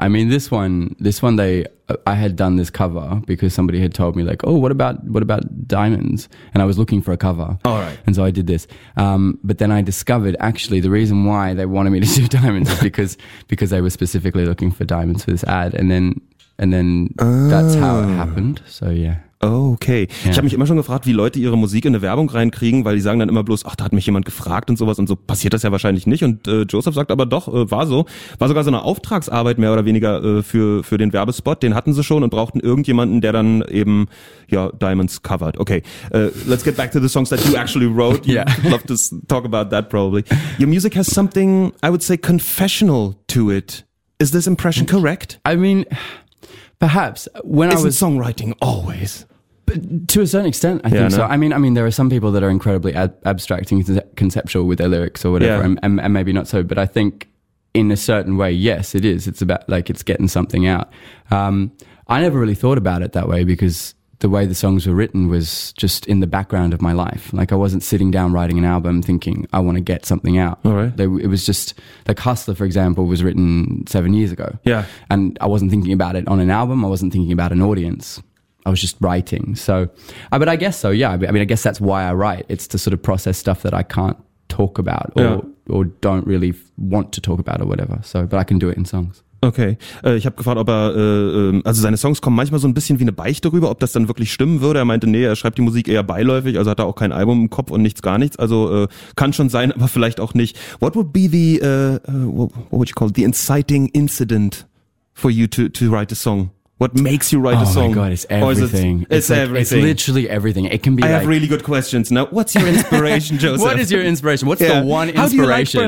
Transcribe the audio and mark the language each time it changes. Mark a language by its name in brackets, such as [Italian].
[English] I mean, this one, I had done this cover because somebody had told me like, oh, what about Diamonds? And I was looking for a cover. All right. And so I did this. But then I discovered actually the reason why they wanted me to do Diamonds is because they were specifically looking for Diamonds for this ad. And then that's how it happened. So yeah. Okay. Ja. [German] Ich habe mich immer schon gefragt, wie Leute ihre Musik in eine Werbung reinkriegen, weil die sagen dann immer bloß, ach, da hat mich jemand gefragt und sowas, und so passiert das ja wahrscheinlich nicht. Und Joseph sagt aber doch, war so. War sogar so eine Auftragsarbeit mehr oder weniger für den Werbespot. Den hatten sie schon und brauchten irgendjemanden, der dann eben, ja, Diamonds covered. [English] Okay, let's get back to the songs that you actually wrote. You'd love to talk about that probably. Your music has something, I would say, confessional to it. Is this impression correct? I mean... Perhaps when isn't I was songwriting always, but to a certain extent, I think so. I mean, there are some people that are incredibly abstract and conceptual with their lyrics or whatever, and maybe not so. But I think in a certain way, yes, it is. It's about like it's getting something out. I never really thought about it that way because the way the songs were written was just in the background of my life. Like I wasn't sitting down writing an album thinking I want to get something out. All right. It was just like Hustler, for example, was written 7 years ago. Yeah. And I wasn't thinking about it on an album. I wasn't thinking about an audience. I was just writing. So I guess so. Yeah. I mean, I guess that's why I write. It's to sort of process stuff that I can't talk about or don't really want to talk about or whatever. So, but I can do it in songs. [German] Okay, ich habe gefragt, ob er, also seine Songs kommen manchmal so ein bisschen wie eine Beichte rüber, ob das dann wirklich stimmen würde. Er meinte, nee, er schreibt die Musik eher beiläufig, also hat er auch kein Album im Kopf und nichts, gar nichts. Also kann schon sein, aber vielleicht auch nicht. [English] What would be the, what would you call it, the inciting incident for you to write a song? What makes you write a song? Oh my God, it's everything. It's everything. It's literally everything. It can be I like, have really good questions. Now, what's your inspiration, Joseph? What is your inspiration? What's the one inspiration?